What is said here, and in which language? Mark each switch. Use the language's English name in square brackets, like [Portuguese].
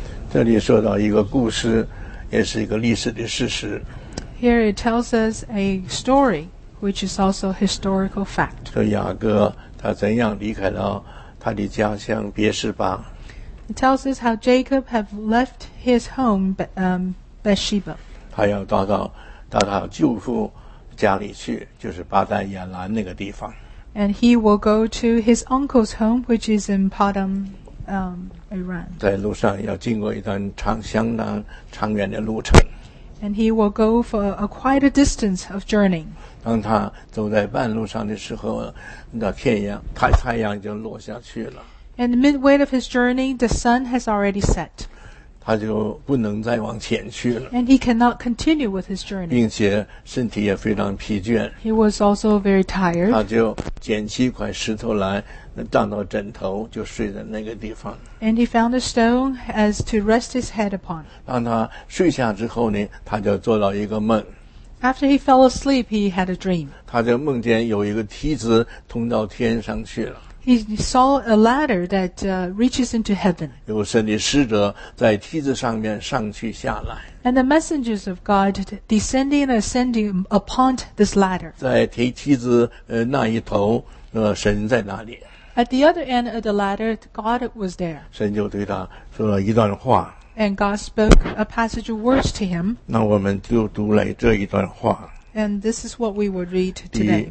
[Chinese] 这里说到一个故事，也是一个历史的事实。 [English] Here it tells us a story. Which is also a historical fact. [Chinese] 说雅各他怎样离开了他的家乡别示巴。 [English] It tells us how Jacob had left his home, Beersheba. [Chinese] 他要到他舅父家里去，就是巴旦亚兰那个地方。 [English] And he will go to his uncle's home, which is in Padan, Aram. [Chinese] 在路上要经过一段相当长远的路程。 [English] And he will go for quite a distance of journey. [Chinese] 当他走在半路上的时候，那太阳已经落下去了。 [English] And midway of his journey, the sun has already set. [Chinese] 他就不能再往前去了。 [English] And he cannot continue with his journey. [Chinese] 并且身体也非常疲倦。 [English] He was also very tired. [Chinese] 他就捡起一块石头来，当到枕头，就睡在那个地方。 [English] And he found a stone as to rest his head upon. [Chinese] 当他睡下之后呢，他就做了一个梦。 [English] After he fell asleep, he had a dream. [Chinese] 他就梦见有一个梯子通到天上去了。 [English] He saw a ladder that reaches into heaven. [Chinese] 有神的使者在梯子上面上去下来。 [English] And the messengers of God descending and ascending upon this ladder. [Chinese] 在梯子那一头，神在哪里？ [English] At the other end of the ladder, God was there. [Chinese] 神就对他说了一段话。 [English] And God spoke a passage of words to him. [Chinese] 那我们就读来这一段话。 [English] And this is what we would read today.